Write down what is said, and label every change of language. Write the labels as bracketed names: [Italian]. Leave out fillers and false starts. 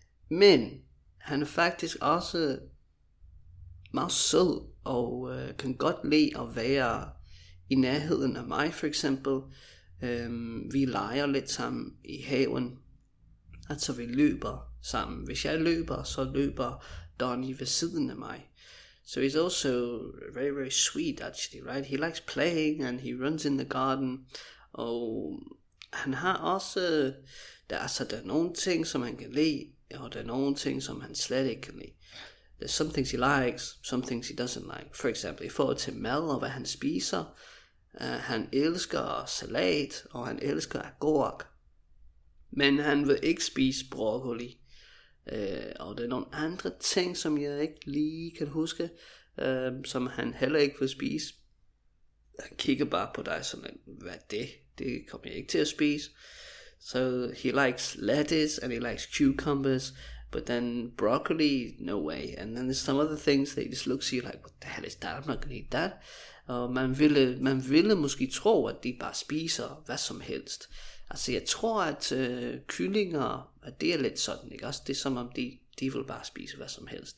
[Danish] Men han er faktisk også meget sød. Og kan godt lide at være i nærheden af mig, for eksempel. Vi leger lidt sammen i haven. Altså, vi løber sammen. Hvis jeg løber, så løber Donnie ved siden af mig. [English] So he's also very, very sweet, actually, right? He likes playing, and he runs in the garden. [Danish] Og han har også, der er nogle ting, som han kan lide, og der er nogle ting, som han slet ikke kan lide. [English] There's some things he likes, some things he doesn't like. For example, [Danish] i forhold til mad og hvad han spiser, han elsker salat, og han elsker agurk. Men han vil ikke spise broccoli. Og der er nogle andre ting, som jeg ikke lige kan huske, som han heller ikke vil spise. Han kigger bare på dig sådan, at, hvad det? Det kommer jeg ikke til at spise. [English] So he likes lettuce and he likes cucumbers, but then broccoli, no way. And then there's some other things that he just looks at you like, what the hell is that? I'm not gonna eat that. [Danish] Og man ville måske tro, at de bare spiser hvad som helst. Altså, jeg tror, at kyllinger, at det er lidt sådan, ikke også? Det er som om, de vil bare spise hvad som helst.